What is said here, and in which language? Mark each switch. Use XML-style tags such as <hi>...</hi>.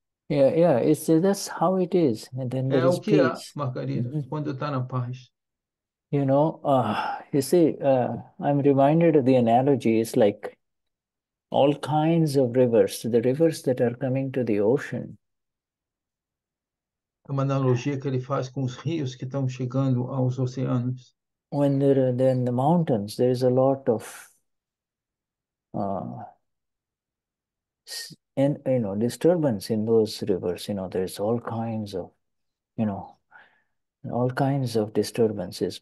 <en>Yeah, that's how it is. And then there is peace.</en> <pt>É o que é, Margarida, quando está na paz.</pt> <en>You know, you see, I'm reminded of the analogy. It's like all kinds of rivers, the rivers that are coming to the ocean.</en> <pt>É uma analogia que ele faz com os rios que estão chegando aos oceanos.</pt> <en>When there are then the mountains, there is a lot of and you know disturbance in those rivers. You know, there's all kinds of, you know, all kinds of disturbances.</en>